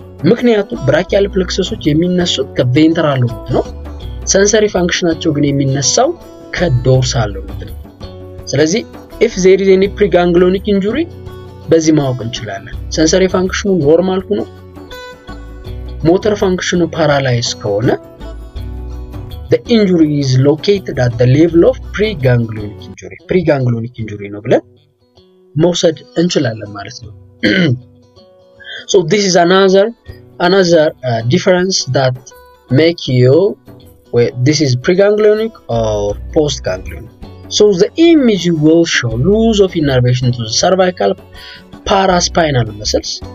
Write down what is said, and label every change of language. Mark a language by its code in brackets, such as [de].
[am] ምክንያቱም brachial plexusዎች የሚነሱት ከventral root ነው. Sensory functionቸው ግን የሚነሳው ከdorsal root. [en] ስለዚህ if there is any preganglionic injury [am] በዚህ ማወቅ እንችላለን. Sensory functionው normal ሆኖ motor functionው paralyzed ከሆነ [en] the injury is located at the level of preganglionic injury. [am] Preganglionic injury ነው ብለን መውሰድ እንችላለን ማለት ነው. [en] So this is another difference that make you this is preganglionic or postganglionic. So the image will show loss of innervation to the cervical paraspinal muscles.